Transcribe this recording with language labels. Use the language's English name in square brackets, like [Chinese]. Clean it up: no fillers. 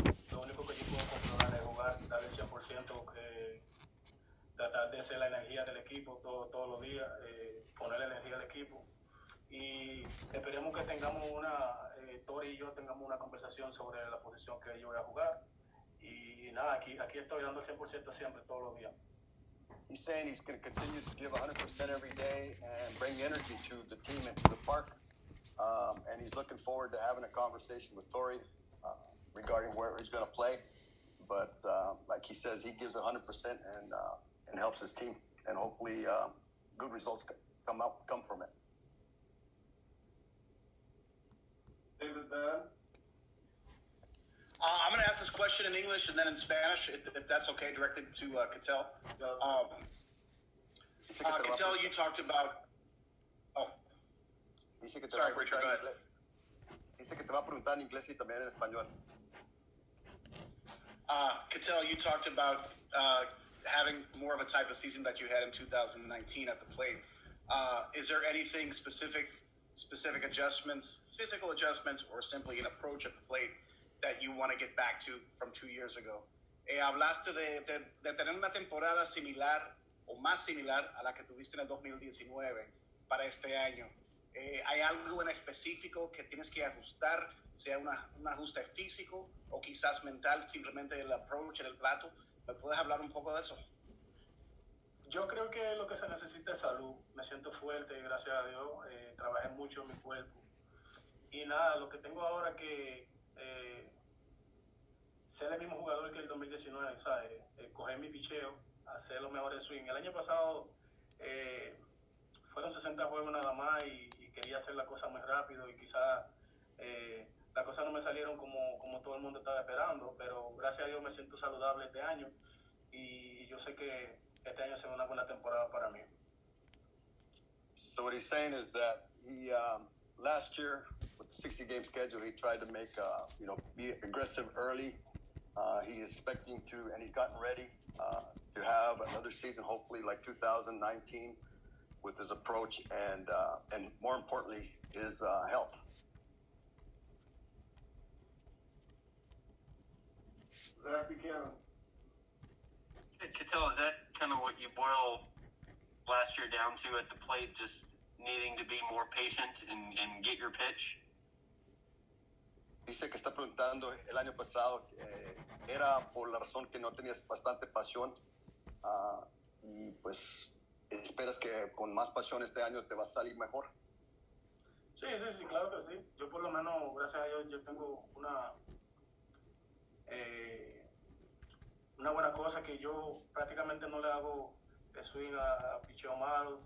[Spanish] Lo único que yo puedo controlar es jugar, dar el 100%, tratar de ser la energía del equipo todos los días, poner la energía del equipo. Y esperemos que tengamos Tori y yo tengamos una conversación sobre la posición que yo voy a jugar. Y nada, aquí estoy dando el 100% siempre, todos los días. [English] He's saying he's going to continue to give 100% every day and bring energy to the team and to the park. And he's looking forward to having a conversation with Tori regarding where he's going to play. But like he says, he gives 100% and helps his team. [Spanish] Gracias. [English] and hopefully good results come from it. David Bell? I'm going to ask this question in English and then in Spanish, if that's okay, directly to Cattell. Cattell, you talked about... [Spanish] Dice que te va a preguntar en inglés y también en español. [English] Cattell, you talked about having more of a type of season that you had in 2019 at the plate. Is there anything specific adjustments, physical adjustments, or simply an approach at the plate that you want to get back to from 2 years ago? [Spanish] Hablaste de tener una temporada similar o más similar a la que tuviste en el 2019 para este año. ¿Hay algo en específico que tienes que ajustar, sea un ajuste físico o quizás mental, simplemente el approach en el plato? ¿Me puedes hablar un poco de eso? Yo creo que lo que se necesita es salud. Me siento fuerte, gracias a Dios. Trabajé mucho en mi cuerpo. Y nada, lo que tengo ahora que ser el mismo jugador que el 2019, ¿sabes? Coger mi picheo, hacer lo mejor en swing. El año pasado fueron 60 juegos nada más y quería hacer la cosa muy rápido y quizás las cosas no me salieron como todo el mundo estaba esperando, pero gracias a Dios me siento saludable este año y yo sé que este año será una buena temporada para mí. [English] So what he's saying is that he last year with the 60 game schedule he tried to make be aggressive early. He's expecting to and he's gotten ready to have another season, hopefully like 2019. With his approach and more importantly, his health. Zach Buchanan. Hey, Cattell, is that kind of what you boil last year down to at the plate, just needing to be more patient and get your pitch? [Spanish] Dice que está preguntando el año pasado, era por la razón que no tenías bastante pasión, y pues... ¿Esperas que con más pasión este año te va a salir mejor? Sí, claro que sí. Yo por lo menos, gracias a Dios, yo tengo una buena cosa que yo prácticamente no le hago swing a picheo malo.